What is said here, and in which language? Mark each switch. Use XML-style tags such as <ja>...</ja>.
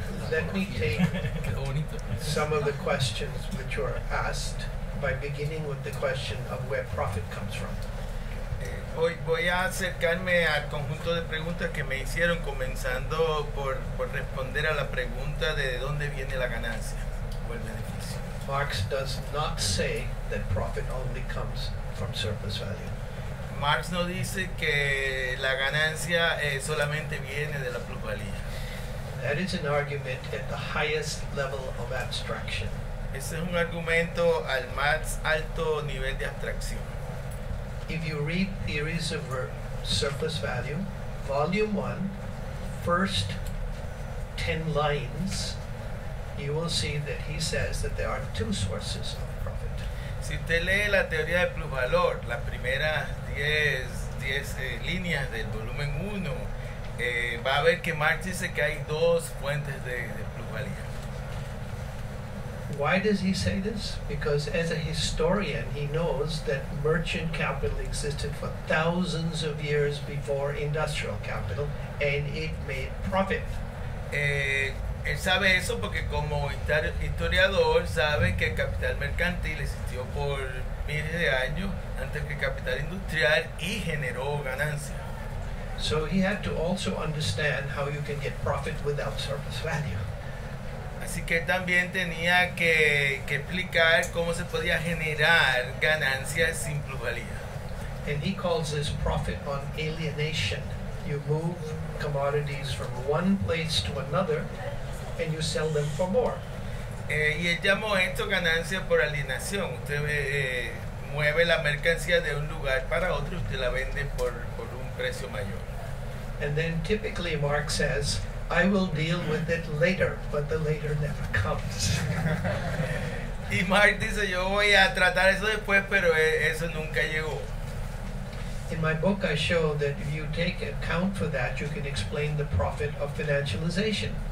<en>Let me take some of the questions which were asked by beginning with the question of where profit comes from.</en> <es>Voy a acercarme al conjunto de preguntas que me hicieron, comenzando por responder a la pregunta de dónde viene la ganancia o el beneficio.</es> <en>Marx does not say that profit only comes from surplus value.</en> <es>Marx no dice que la ganancia solamente viene de la plusvalía.</es> <en>That is an argument at the highest level of abstraction.</en> <es>Ese es un argumento al más alto nivel de abstracción.</es> <en>If you read theories of surplus value, volume 1, first 10 lines, you will see that he says that there are two sources of profit.</en> <es>Si usted lee la teoría del plusvalor, las primeras 10 líneas del volumen 1, va a ver que Marx dice que hay dos fuentes de plusvalía.</es> <en>Why does he say this? Because as a historian, he knows that merchant capital existed for thousands of years before industrial capital, and it made profit.</en> <es>Él sabe eso porque como historiador sabe que el capital mercantil existió por miles de años antes que el capital industrial y generó ganancia.</es> <en>So he had to also understand how you can get profit without surplus value.</en> <es>Así que también tenía que explicar cómo se podía generar ganancias sin plusvalía.</es> <en>And he calls this profit on alienation. You move commodities from one place to another and you sell them for more.</en> <es>Y él llamó esto ganancia por alienación. Usted mueve la mercancía de un lugar para otro y usted la vende por un precio mayor.</es> <en>And then typically Marx says, I will deal with it later, but the later never comes.</en> <es>Y Marx dice, yo voy a tratar eso después, pero eso nunca llegó.</es> <en>In my book I show that if you take account for that, you can explain the profit of financialization.</en>